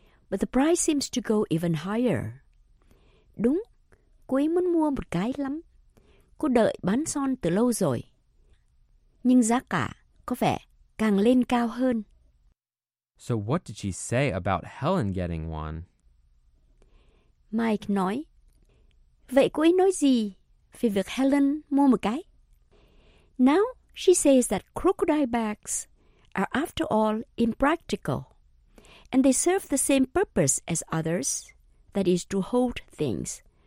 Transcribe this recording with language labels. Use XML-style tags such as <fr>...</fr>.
<en>But the price seems to go even higher.</en> <vi>Đúng, cô ấy muốn mua một cái lắm. Cô đợi bán son từ lâu rồi. Nhưng giá cả có vẻ càng lên cao hơn.</vi> <en>So what did she say about Helen getting one?</en> <vi>Mike nói. Vậy cô ấy nói gì về việc Helen mua một cái?</vi> <en>Now she says that crocodile bags are after all impractical, and they serve the same purpose as others, that is to hold things.</en>